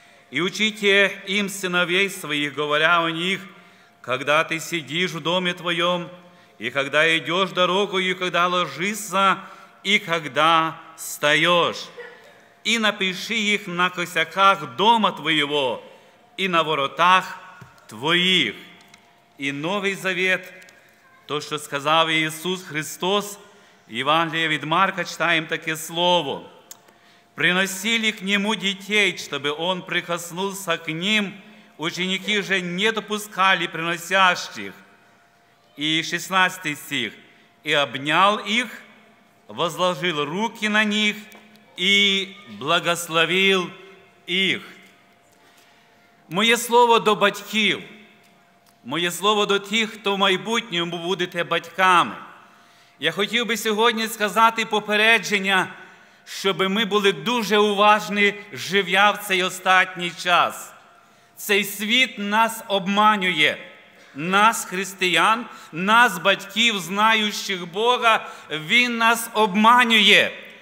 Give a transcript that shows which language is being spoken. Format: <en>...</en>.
<uk>І учите їм синовей своїх, говоря о них, когда ти сидиш в домі твоєму, і когда йдеш дорогою, і когда ложишся, і когда встаєш. І напиши їх на косяках дома твоєго, і на воротах твоїх». І Новий Завет – то, що сказав Ісус Христос, Євангеліє від Марка, читаємо таке слово.</uk> <ru>«Приносили к Нему дітей, чтобы Он прикоснулся к ним, ученики же не допускали приносящих». І 16 стих. «И обнял их, возложил руки на них и благословил их».</ru> <uk>Моє слово до батьків. Моє слово до тих, хто в майбутньому будете батьками. Я хотів би сьогодні сказати попередження, щоб ми були дуже уважні, живя в цей останній час. Цей світ нас обманює. Нас, християн, нас, батьків, знаючих Бога, він нас обманює.</uk>